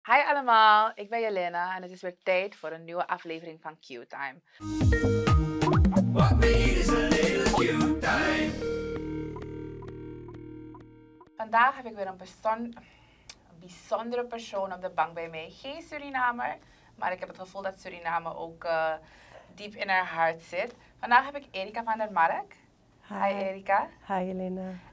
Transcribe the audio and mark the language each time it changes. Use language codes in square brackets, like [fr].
[nl] Hi allemaal, ik ben Yelena en het is weer tijd voor een nieuwe aflevering van Q-Time. [en] What we need is a little Q-Time. [nl] Vandaag heb ik weer een bijzondere persoon op de bank bij mij. Geen Surinamer, maar ik heb het gevoel dat Suriname ook diep in haar hart zit. Vandaag heb ik Erika van der Mark. Hi Erika. Hi Yelena.